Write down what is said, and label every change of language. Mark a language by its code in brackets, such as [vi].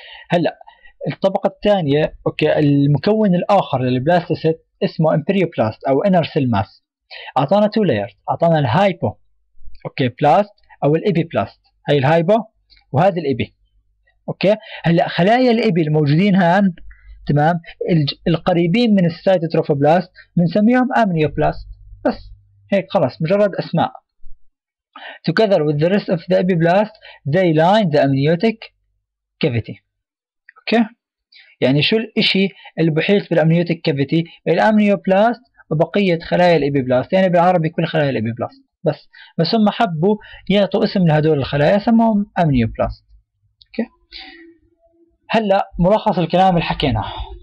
[ar] هلا الطبقه الثانيه، اوكي، المكون الاخر للبلاستوسيت اسمه امبريوبلاست او انر سيل ماس، اعطانا تو لايرز، اعطانا الهايبو، اوكي، بلاست او الايبي بلاست، هاي الهايبو وهذا الايبي، اوكي. هلا خلايا الايبي الموجودين هان، تمام، القريبين من السيتوتروفوبلاست بنسميهم امنيوبلاست، بس هيك خلاص مجرد اسماء. [en] Together with the rest of the epiplast they line the amniotic cavity. [ar] اوكي، يعني شو الاشي اللي بحيط بالامنيوتيك كافيتي؟ الامنيوبلاست وبقيه خلايا الابيبلاست، يعني بالعربي كل خلايا الابيبلاست، بس هم حبوا يعطوا اسم لهدول الخلايا سموهم امنيوبلاست. اوكي، هلا ملخص الكلام اللي حكيناه.